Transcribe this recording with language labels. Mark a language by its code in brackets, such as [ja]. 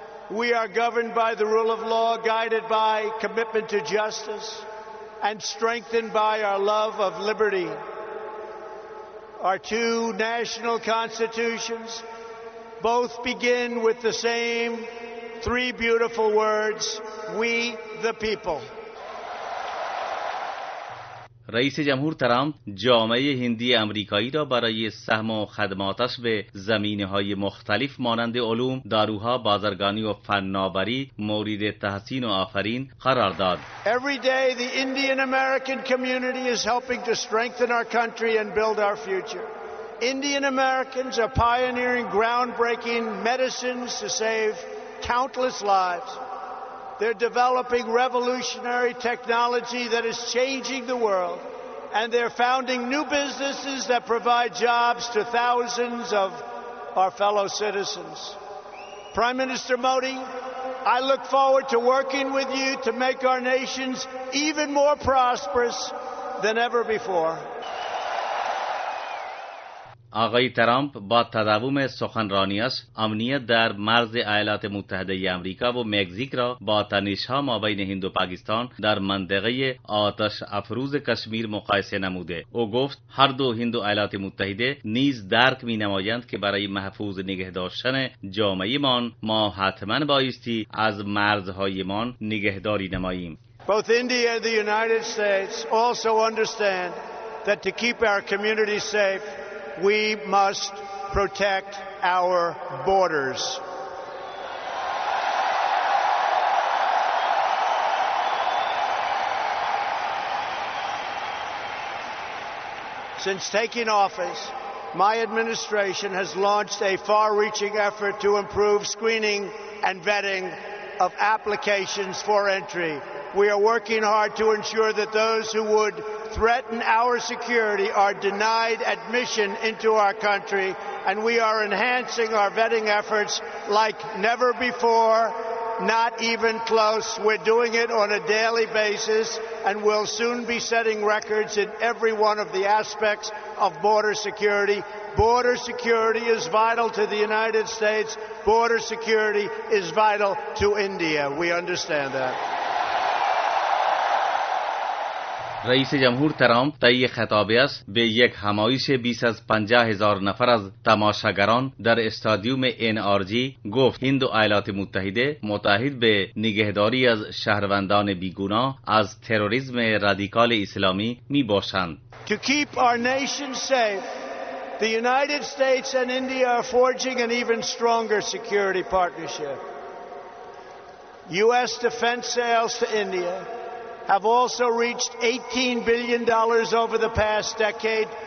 [en] We are governed by the rule of law, guided by commitment to justice, and strengthened by our love of liberty. Our two national constitutions both begin with the same three beautiful words, we the people. [fa] رئیس جمهور ترامپ جامعه هندی امریکایی را برای سهم و خدماتش به زمینه‌های مختلف مانند علوم، داروها، بازرگانی و فناوری مورد تحسین و آفرین قرار داد. [en] Every day the Indian American community is helping to strengthen our country and build our future. Indian Americans are pioneering groundbreaking medicines to save countless lives. They're developing revolutionary technology that is changing the world, and they're founding new businesses that provide jobs to thousands of our fellow citizens. Prime Minister Modi, I look forward to working with you to make our nations even more prosperous than ever before. [fa] آقای ترامپ با تداوم سخنرانی‌اش امنیت در مرز ایالات متحده آمریکا و مکزیک را با تنش‌ها مابین هند و پاکستان در منطقه آتش افروز کشمیر مقایسه نموده. او گفت هر دو هند و ایالات متحده نیز درک می‌نمایند که برای محفوظ نگه داشتن جامعه‌مان ما حتما بایستی از مرزهایمان نگهداری نماییم. [en] Both India and the United States also understand that to keep our community safe, we must protect our borders. Since taking office, my administration has launched a far-reaching effort to improve screening and vetting of applications for entry. We are working hard to ensure that those who would threaten our security are denied admission into our country, and we are enhancing our vetting efforts like never before, not even close. We're doing it on a daily basis, and we'll soon be setting records in every one of the aspects of border security. Border security is vital to the United States. Border security is vital to India. We understand that. [fa] رئیس جمهور ترامپ طی خطابی است به یک همایش 25,000 نفر از تماشاگران در استادیوم NRG گفت هند و ایالات متحده متحد به نگهداری از شهروندان بیگناه از تروریسم رادیکال اسلامی می باشند. [en] To keep our nation safe, the United States and India are forging an even stronger security partnership. U.S. defense sales to India have also reached $18 billion over the past decade.